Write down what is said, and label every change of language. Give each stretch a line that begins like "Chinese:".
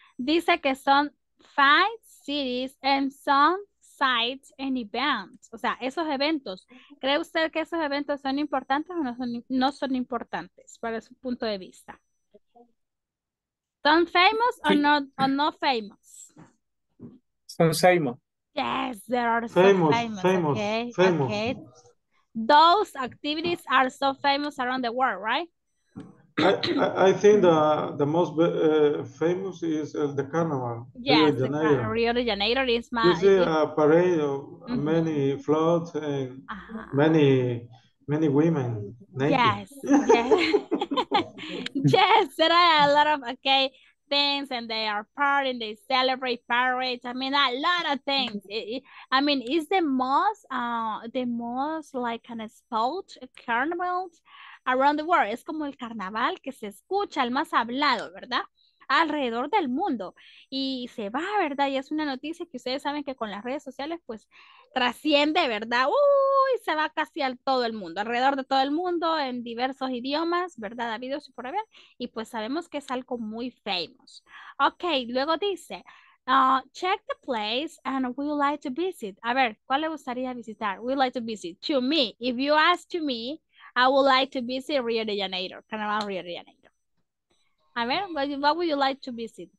Spanish: Dice que son
English: 5 cities and some sites and events.
Spanish: O sea, esos eventos. ¿Cree usted que esos eventos son importantes o no son importantes para su punto de vista? ¿Son
English: famous or not famous?
Spanish: Son famous.
English: Yes, there are famous. Those activities are so famous around the world, right? I think the most famous is the carnival. Yes, Rio de Janeiro. Rio de Janeiro is my... A parade of many floats and many women. Naked. Yes. Yes. Yes, there are a lot of... Okay. Things and they are partying, they celebrate parades. I mean, a lot of things. It's the most like an sport carnival around the world.
Spanish: Es como el carnaval que se escucha, el más hablado, ¿verdad? Alrededor del mundo. Y se va, ¿verdad? Y es una noticia que ustedes saben que con las redes sociales, pues, trasciende, ¿verdad? Uy, se va casi al todo el mundo, alrededor de todo el mundo, en diversos idiomas, ¿verdad? Habidos y por haber. Y pues sabemos que es algo muy famous.
English: Ok,
Spanish: luego dice,
English: check the place and we would like to visit.
Spanish: A ver, ¿cuál le gustaría visitar?
English: We would like to visit. To me. If you ask to me, I would like to visit Rio de Janeiro. Carnaval Rio de Janeiro.
Spanish: A ver,
English: what would you like to visit?